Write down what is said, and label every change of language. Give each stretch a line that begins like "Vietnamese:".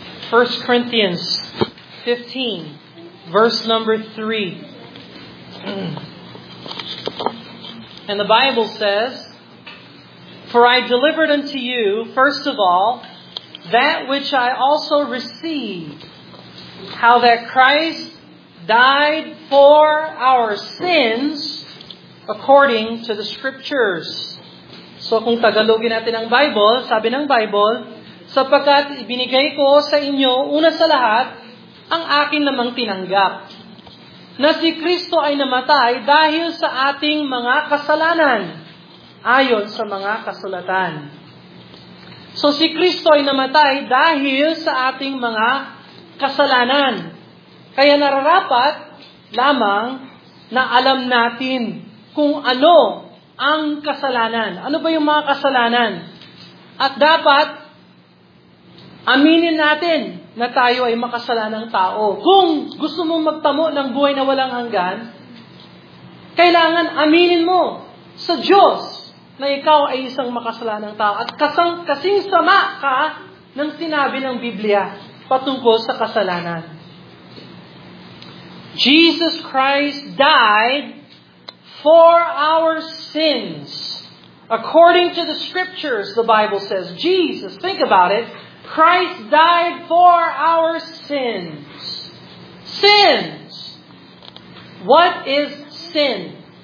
English: 1 Corinthians 15, verse number 3. And the Bible says, "For I delivered unto you, first of all, that which I also received, how that Christ died for our sins according to the Scriptures."
Filipino: So kung Tagalogin natin ang Bible, sabi ng Bible, "Sapagkat ibinigay ko sa inyo, una sa lahat, ang akin namang tinanggap, na si Kristo ay namatay dahil sa ating mga kasalanan, ayon sa mga kasulatan." So si Kristo ay namatay dahil sa ating mga kasalanan. Kaya nararapat lamang na alam natin kung ano ang kasalanan. Ano ba yung mga kasalanan? At dapat aminin natin na tayo ay makasalanang tao. Kung gusto mong magtamo ng buhay na walang hanggan, kailangan aminin mo sa Diyos na ikaw ay isang makasalanang tao at kasing sama ka ng sinabi ng Biblia patungkol sa kasalanan.
English: Jesus Christ died for our sins according to the Scriptures, the Bible says. Jesus, think about it. Christ died for our sins. Sins. What is sin?